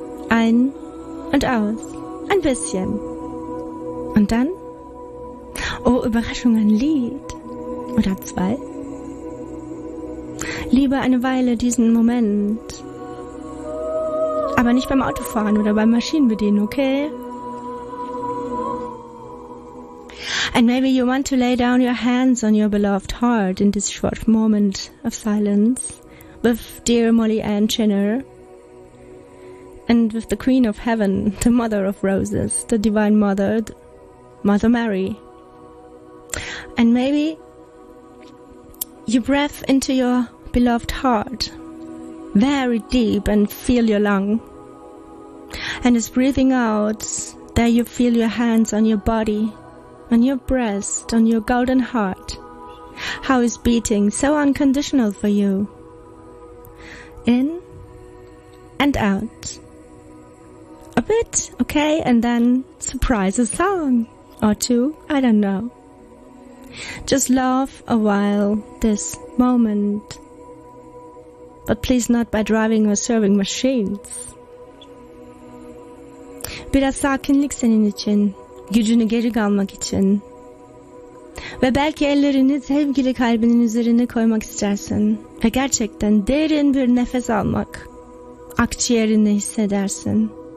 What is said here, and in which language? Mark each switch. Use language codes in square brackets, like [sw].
[de] Ein und aus. Ein bisschen. Und dann, oh Überraschung, ein Lied. Oder zwei. Liebe eine Weile diesen Moment. Aber nicht beim Autofahren oder beim Maschinenbedienen, okay? [en] And maybe you want to lay down your hands on your beloved heart in this short moment of silence with dear Molly Ann Chinner and with the Queen of Heaven, the Mother of Roses, the Divine Mother, Mother Mary. And maybe you breathe into your beloved heart very deep and feel your lung. And as breathing out, there you feel your hands on your body, on your breast, on your golden heart. How is beating so unconditional for you? In and out. A bit, okay, and then surprise a song or two, I don't know. Just love a while this moment. But please not by driving or serving machines. [tr] Biraz sakinlik senin için. Gücünü geri kalmak için. Ve belki ellerini sevgili kalbinin üzerine koymak istersin. Ve gerçekten derin bir nefes almak. Akciğerini hissedersin.